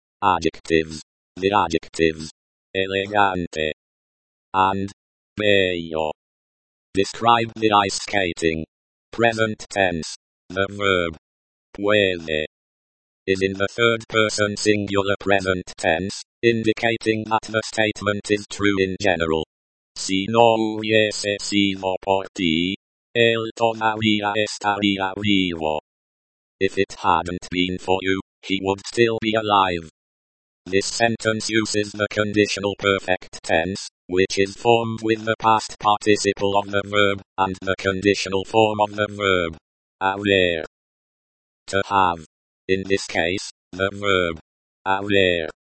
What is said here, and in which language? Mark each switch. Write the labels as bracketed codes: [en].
[en] Adjectives, the adjectives, elegante, and bello, describe the ice skating. Present tense, the verb, puede, is in the third person singular present tense, indicating that the statement is true in general. [es] Si no hubiese sido por ti, él todavía estaría vivo. [en] If it hadn't been for you, he would still be alive. This sentence uses the conditional perfect tense, which is formed with the past participle of the verb, and the conditional form of the verb. Haber. To have. In this case, the verb. Haber.